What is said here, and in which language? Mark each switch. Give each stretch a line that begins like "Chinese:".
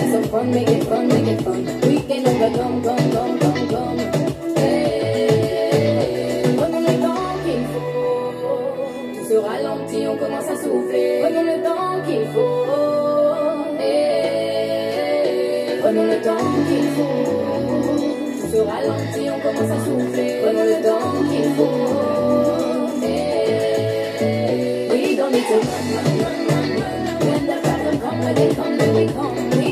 English: Fun, make it fun, make it fun. We can overcome, come, come, come, come. Hey.
French: Prenons le temps qu'il faut. Tout se ralentit, on commence à souffler. Prenons le temps qu'il faut. Hey. Prenons le temps qu'il faut. Tout se ralentit, on commence à souffler. Prenons le temps qu'il faut. Hey.
English: We don't need to run, run, run, run, run. When the problem come, when they come, when they come.